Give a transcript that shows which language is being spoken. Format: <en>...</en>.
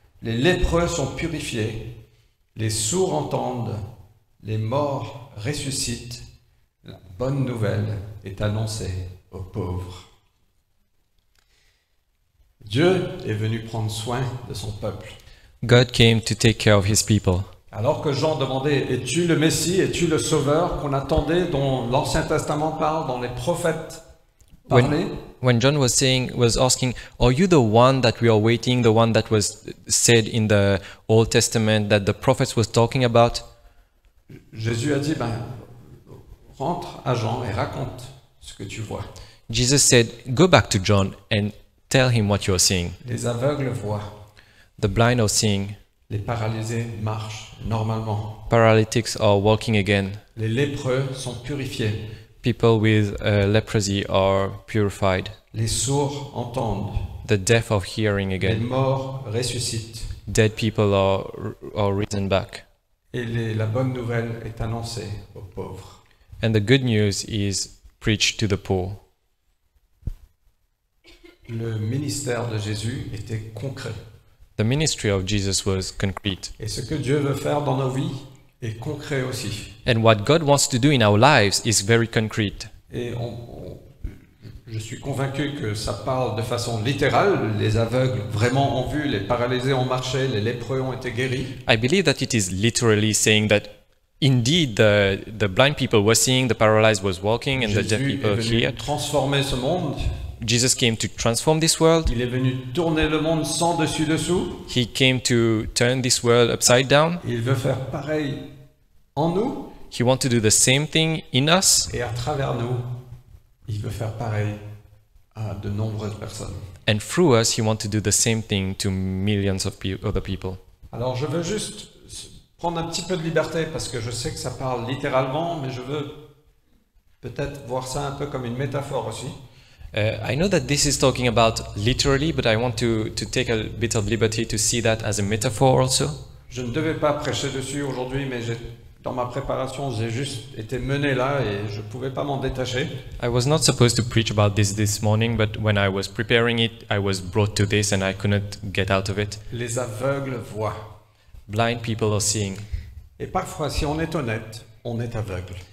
<fr>Les lépreux sont purifiés, les sourds entendent, les morts ressuscitent, la bonne nouvelle est annoncée aux pauvres. » Dieu est venu prendre soin de son peuple.</fr> <en>God came to take care of his people.</en> <fr>Alors que Jean demandait, es-tu le Messie, es-tu le Sauveur qu'on attendait, dont l'Ancien Testament parle, dont les prophètes parlaient?</fr> <en>When John was asking, are you the one that we are waiting, the one that was said in the Old Testament that the prophets was talking about?</en> <fr>Jésus a dit, ben, rentre à Jean et raconte ce que tu vois.</fr> <en>Jesus said, go back to John and tell him what you are seeing.</en> <fr>Les aveugles voient.</fr> <en>The blind are seeing.</en> <fr>Les paralysés marchent normalement.</fr> <en>Paralytics are walking again.</en> <fr>Les lépreux sont purifiés.</fr> <en>People with leprosy are purified.</en> <fr>Les sourds entendent.</fr> <en>The deaf are hearing again.</en> <fr>Les morts ressuscitent.</fr> <en>Dead people are risen back.</en> <fr>Et la bonne nouvelle est annoncée aux pauvres.</fr> <en>And the good news is preached to the poor.</en> <fr>Le ministère de Jésus était concret.</fr> <en>The ministry of Jesus was concrete.</en> <fr>Et ce que Dieu veut faire dans nos vies est concret aussi.</fr> <en>And what God wants to do in our lives is very concrete.</en> <fr>Et je suis convaincu que ça parle de façon littérale. Les aveugles vraiment ont vu, les paralysés ont marché, les lépreux ont été guéris.</fr> <en>I believe that it is literally saying that indeed the blind people were seeing, the paralyzed was walking, and</en> <fr>Jésus</fr> <en>the deaf people here.</en> <fr>Jésus est venu transformer ce monde.</fr> <en>Jesus came to transform this world.</en> <fr>Il est venu tourner le monde sans dessus dessous.</fr> <en>He came to turn this world upside down.</en> <fr>Il veut faire pareil en nous.</fr> <en>He wants to do the same thing in us.</en> <fr>Et à travers nous, il veut faire pareil à de nombreuses personnes.</fr> <en>And through us, he wants to do the same thing to millions of other people.</en> <fr>Alors je veux juste prendre un petit peu de liberté parce que je sais que ça parle littéralement, mais je veux peut-être voir ça un peu comme une métaphore aussi.</fr> <en>I know that this is talking about literally, but I want to take a bit of liberty to see that as a metaphor also.</en> <fr>Je ne devais pas prêcher dessus aujourd'hui, mais j'ai dans ma préparation, j'ai juste été mené là et je pouvais pas m'en détacher.</fr> <en>I was not supposed to preach about this morning, but when I was preparing it, I was brought to this and I couldn't get out of it.</en> <fr>Les aveugles voient.</fr> <en>Blind people are seeing.</en> <fr>Et parfois, si on est honnête, on est aveugle.</fr>